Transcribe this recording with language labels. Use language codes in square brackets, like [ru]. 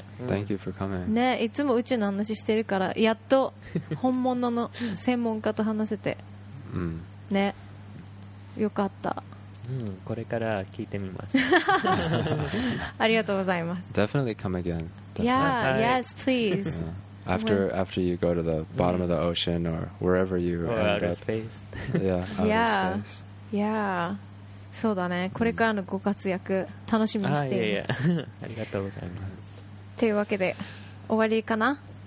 [en] Thank you for coming. [ja] ね、いつも宇宙の話してるからやっと本物の専門家と話せて、ね、よかった、これから聞いてみます。ありがとうございます。 [en] Definitely come again. Yeah, yes, please. After you go to the bottom of the ocean or wherever you or end outer up, space. Yeah, outer space. [ja] Yeah, そうだね。これからのご活躍楽しみにしています。ありがとうございます。というわけで終わりかな。